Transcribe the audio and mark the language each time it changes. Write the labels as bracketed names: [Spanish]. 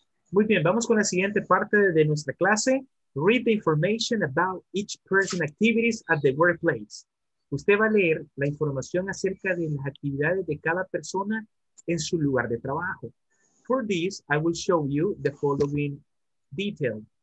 [Spanish] Muy bien, vamos con la siguiente parte de nuestra clase. [English] Read the information about each person activities at the workplace. [Spanish] Usted va a leer la información acerca de las actividades de cada persona en su lugar de trabajo. [English] For this, I will show you the following detail.